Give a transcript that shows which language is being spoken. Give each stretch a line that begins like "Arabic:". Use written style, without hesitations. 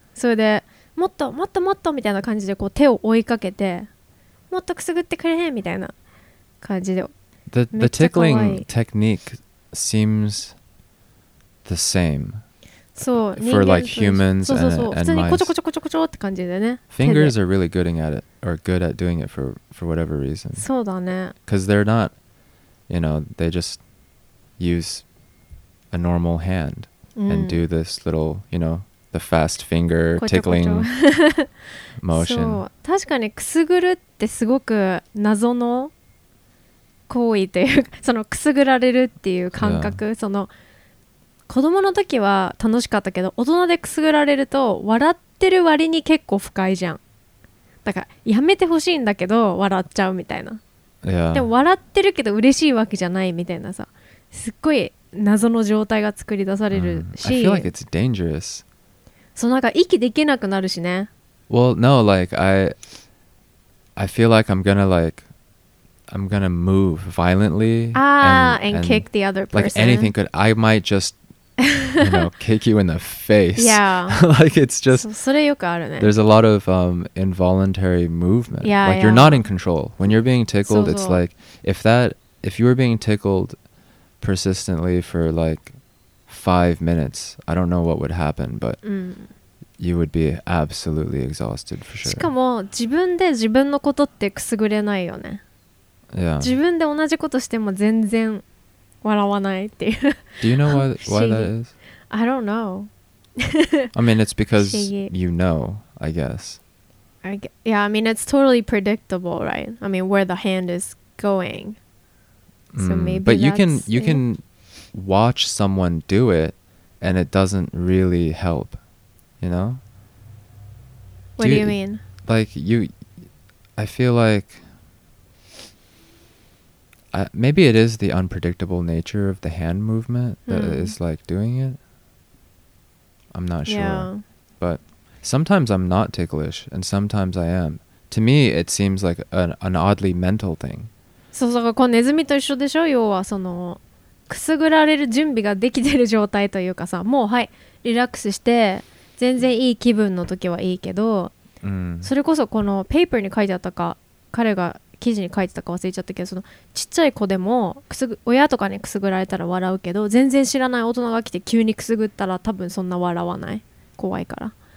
Japanese: それでもっともっともっとみたいな感じでこう手を追いかけて、もっとくすぐってくれみたいな感じで。
English: The tickling technique seems the same.
Japanese: そう、
English: for like humans and mice.
Japanese: 普通にこちょこちょこちょこちょって感じでね。
English: Fingers are really good at it, or good at doing it for whatever reason.
Japanese: そうだね。
English: Because they're not, you know, they just use a normal hand and do this little, you know, the fast finger tickling motion.
Japanese: そう、確かにくすぐるってすごく謎の行為というか、そのくすぐられるっていう感覚、yeah. その子供の時は楽しかったけど、大人でくすぐられると笑ってる割に結構不快じゃん。だからやめてほしいんだけど笑っちゃうみたいな、
English: yeah.
Japanese: でも笑ってるけど嬉しいわけじゃないみたいなさ、すっごい謎の状態が作り出されるし、
English: I feel like it's dangerous.
Japanese: そう、なんか息できなくなるしね。
English: Well, no, like I feel like I'm gonna move violently and kick the other person. Like anything could, I might just, you know, kick you in the face. Yeah. Like it's just,
Japanese: それよくあるね。
English: There's a lot of involuntary movement. Yeah, like yeah. You're not in control. When you're being tickled, so, so. It's like, if you were being tickled persistently for like 5 minutes, I don't know what would happen, but you would be absolutely exhausted for sure.
Japanese: しかも自分で自分のことってくすぐれないよね。
English: Yeah.
Japanese: 自分で同じことしても全然笑わないっていう。
English: Do you know why that is? I don't know. I mean, it's because you know, I guess. Yeah, I mean, it's totally predictable, right? I mean, where the hand is going. So maybe. But you can watch someone do it, and it doesn't really help. You know. What do you mean? Like you, I feel like. Maybe it is the unpredictable nature of the hand movement that is like doing it. I'm not sure. Yeah. But sometimes I'm not ticklish and sometimes I am. To me, it seems like an oddly mental thing.
Japanese: そうそう、このネズミと一緒でしょ。要はそのくすぐられる準備ができてる状態というかさ、もうはい、リラックスして全然いい気分の時はいいけど、それこそこのペーパーに書いてあったか、彼が記事に書いてたか忘れちゃったけど、そのちっちゃい子でもくすぐ親とかにくすぐられたら笑うけど、全然知らない大人が来て急にくすぐったら多分そんな笑わない、怖いから。